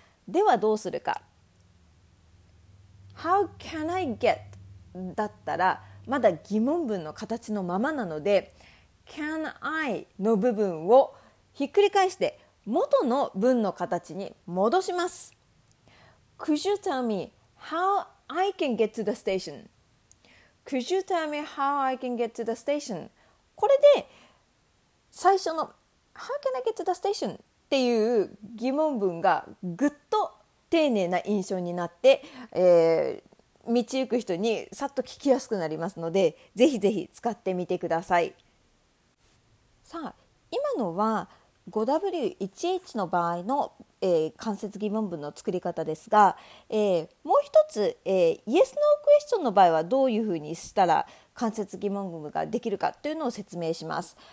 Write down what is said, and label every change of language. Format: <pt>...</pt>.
<ja>ではどうするか。</ja> <en>How can I get?</en> <ja>だったらまだ疑問文の形のままなので、</ja> <en>Can I?</en> <ja>の部分をひっくり返して元の文の形に戻します。</ja> <en>Could you tell me how I can get to the station? Could you tell me how I can get to the station?</en> <ja>これで最初の</ja> <en>How can I get to the station?</en> <ja>っていう疑問文がぐっと丁寧な印象になって、道行く人にさっと聞きやすくなりますので、ぜひぜひ使ってみてください。さあ、今のは 5W1H の場合の、間接疑問文の作り方ですが、もう一つ、Yes No Question の場合はどういうふうにしたら間接疑問文ができるかというのを説明します。</ja>